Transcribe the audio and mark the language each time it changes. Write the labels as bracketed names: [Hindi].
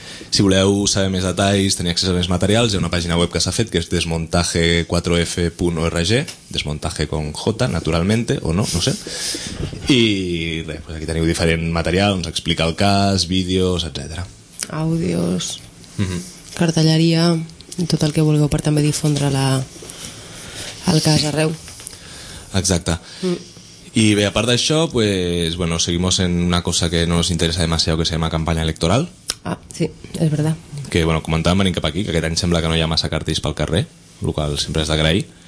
[Catalan] Si voleu saber més detalls, tenir accés a més materials, hi ha una pàgina web que s'ha fet, que és desmontaje4f.org, [Spanish] desmontaje con J, naturalmente, [Catalan] o no, no sé, i res, pues aquí teniu diferent material, ens explica el cas, vídeos, etc. Àudios, cartelleria, tot el que vulgueu per també difondre el cas arreu. Exacte. Y bé, a part d'això, [Spanish] pues bueno, seguimos en una cosa que no nos interesa demasiado, que se llama campaña electoral. [Catalan] Ah, sí, és verdad. Que, bueno, comentàvem venint cap aquí, que aquest any sembla que no hi ha massa cartells pel carrer, el qual sempre és d'agrair.